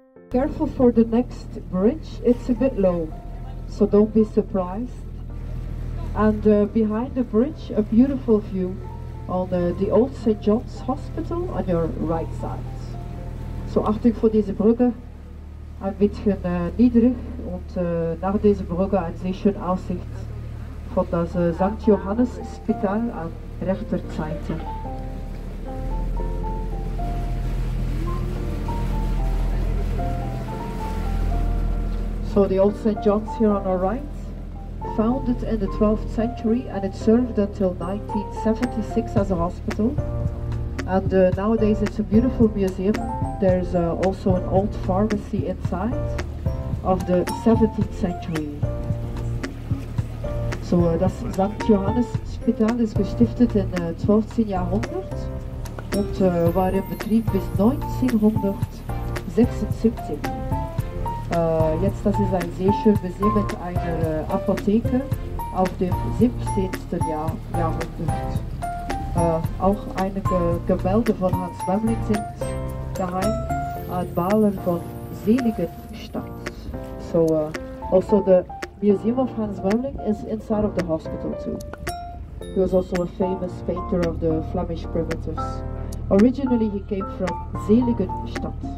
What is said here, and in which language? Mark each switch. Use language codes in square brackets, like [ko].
[en] Careful for the next bridge, it's a bit low, so don't be surprised. And behind the bridge, a beautiful view on the old St. John's Hospital on your right side. [de] So Achtung vor dieser Brücke, ein bisschen niedrig, und nach dieser Brücke eine sehr schöne Aussicht von das St. Johannes Spital an rechter Seite. [en] So the old St. John's here on our right, founded in the 12th century, and it served until 1976 as a hospital. And nowadays it's a beautiful museum. There's also an old pharmacy inside of the 17th century. [de] So das St. Johannes Spital is gestiftet in 12th Jahrhundert und war in Betrieb bis 1976. Jetzt das ist ein sehr schönes Museum mit einer Apotheke auf dem 17. Jahrhundert. Auch einige Gemälde von Hans Memling sind daheim, ein Maler von Seligenstadt. [en] So, also the Museum of Hans Memling is inside of the hospital too. He was also a famous painter of the Flemish primitives. Originally he came from Seligenstadt.